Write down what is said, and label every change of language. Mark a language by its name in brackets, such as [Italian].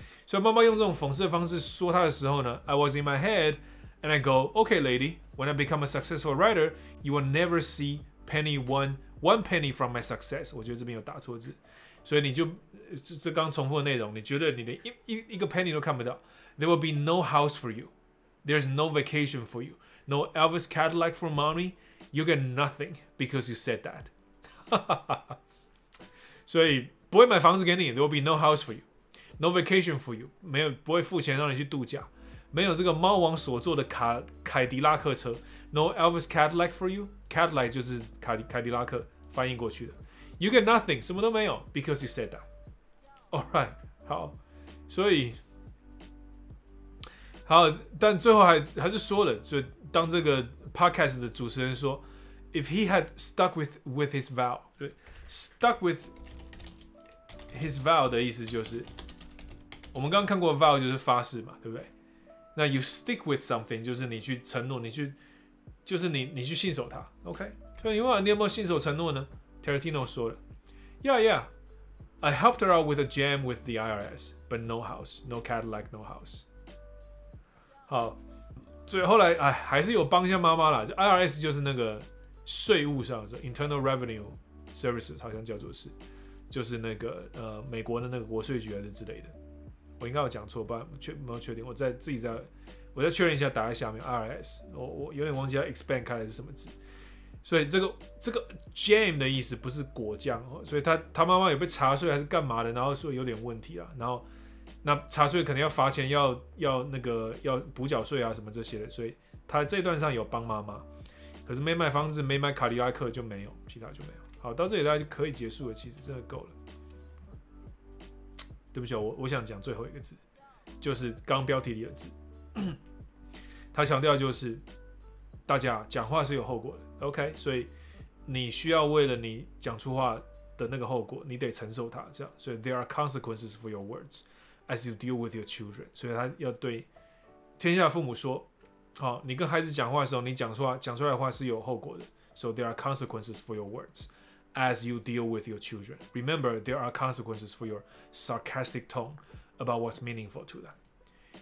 [Chinese] 所以妈妈用这种讽刺的方式说他的时候呢 [English] ，I was in my head, and I go, okay, lady, when I become a successful writer, you will never see one penny from my success。 [Chinese] 我觉得这边有打错字。所以你就这刚重复的内容，你觉得你的一个 penny 都看不到。 [English] There will be no house for you. There's no vacation for you. No Elvis Cadillac for mommy. You get nothing because you said that. [Chinese] 所以不会买房子给你。 [English] There will be no house for you. No vacation for you. [Chinese] 没有不会付钱让你去度假。没有这个猫王所坐的凯迪拉克车。 [English] No Elvis Cadillac for you. Cadillac [Chinese] 就是凯迪拉克翻译过去的。 [English] You get nothing， [Chinese] 什么都没有 ， [English] because you said that。All right， [Chinese] 好，所以好，但最后还是说了，就当这个 podcast 的主持人说 ， [English] if he had stuck with his vow， [Chinese] 对 ， [English] stuck with his vow [Chinese] 的意思就是，我们刚刚看过 vow 就是发誓嘛，对不对？那 [English] you stick with something [Chinese] 就是你去承诺，你去信守它 ，OK？所以你问你有没有信守承诺呢？ [English] Tarantino [Chinese] 说的 [English] ，Yeah, yeah, I helped her out with a jam with the IRS, but no house, no Cadillac, no house. [Chinese] 好，所以后来哎，还是有帮一下妈妈啦。 IRS 就是那个税务上的 Internal Revenue Services， 好像叫做是，就是那个美国的那个国税局还是之类的。我应该有讲错，不然没有确定。我再确认一下，打在下面 IRS 我有点忘记要 expand 开来是什么字。所以这个 jam 的意思不是果酱，所以他妈妈有被查税还是干嘛的，然后说有点问题啦，然后那查税可能要罚钱，要那个要补缴税啊什么这些的，所以他这段上有帮妈妈，可是没买房子，没买卡迪拉克就没有，其他就没有。好，到这里大家就可以结束了，其实真的够了。对不起，我想讲最后一个字，就是刚标题里的字。他强调就是，大家讲话是有后果的 ，OK？所以你需要为了你讲出话的那个后果，你得承受它。这样，所以 [English] there are consequences for your words as you deal with your children。 [Chinese] 所以他要对天下父母说，好，你跟孩子讲话的时候，你讲出来的话是有后果的。 [English] So there are consequences for your words as you deal with your children. Remember, there are consequences for your sarcastic tone about what's meaningful to them.